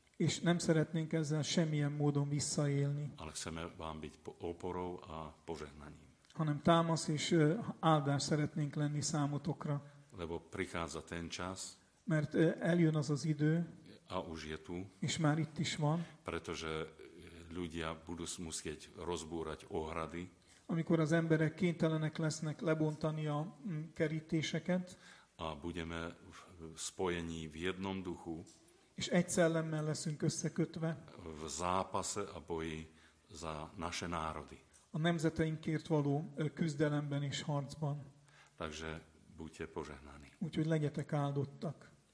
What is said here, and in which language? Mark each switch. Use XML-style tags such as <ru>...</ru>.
<hu>És nem szeretnénk ezzel semmilyen módon visszaélni.</hu> <sk>Ale chceme vám byť oporou a požehnaním.</sk> <hu>Hanem támasz és áldás szeretnénk lenni számotokra.</hu> <sk>Lebo prichádza ten čas.</sk> <hu>Mert eljön az az idő.</hu> <sk>A už je tu.</sk> <hu>És már itt is van.</hu> <sk>Pretože ľudia budú musieť rozbúrať ohrady.</sk> <hu>Amikor az emberek kénytelenek lesznek lebontani a kerítéseket.</hu> <sk>A budeme spojení v jednom duchu.</sk> <hu>És egy szellemmel leszünk összekötve.</hu> <sk>V zápase a boji za naše národy.</sk> <hu>A nemzeteinkért való küzdelemben és harcban.</hu> <sk>Takže buďte požehnaní.</sk> <hu>Úgyhogy legyetek áldottak.</hu>